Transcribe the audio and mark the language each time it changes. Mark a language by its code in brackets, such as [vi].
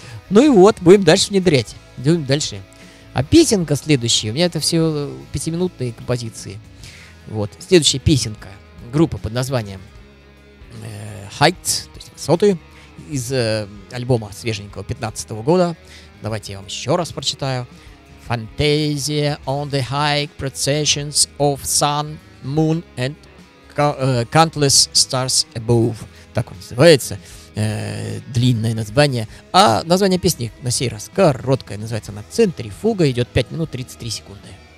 [ru] Ну и вот, будем дальше внедрять. Идем дальше. А песенка следующая. У меня это все пятиминутные композиции. Вот. Следующая песенка. Группа под названием Heights, то есть высоты, из альбома свеженького 15-го года. Давайте я вам еще раз прочитаю. [en] Fantasia on the high processions of sun, moon and countless stars above. [ru] Так он называется. Длинное название. А название песни на сей раз короткое. Называется она «Центрифуга». Идет 5 минут 33 секунды.